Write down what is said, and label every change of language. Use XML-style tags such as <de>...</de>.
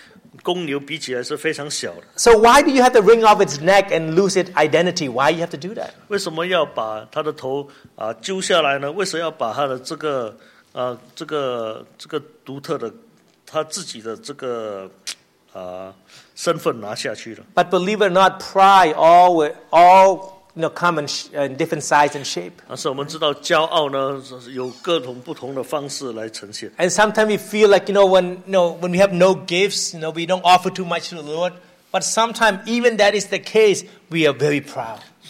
<zh>我们在想这个斑鸠呢，跟这个公牛比起来是非常小的。</zh> <en>So why do you have to wring off its neck and lose its identity? Why you have to do that?</en> <zh>为什么要把他的头揪下来呢？为什么要把他的这个独特的他自己的这个身份拿下去呢？</zh> <en>But believe it or not, pride all you know, come in different size and shape.</en> <zh>但是我们知道骄傲呢，有各种不同的方式来呈现。</zh> <en>And sometimes we feel like, when we have no gifts, you know, we don't offer too much to the Lord. But sometimes, even that is the case, we are very proud.</en>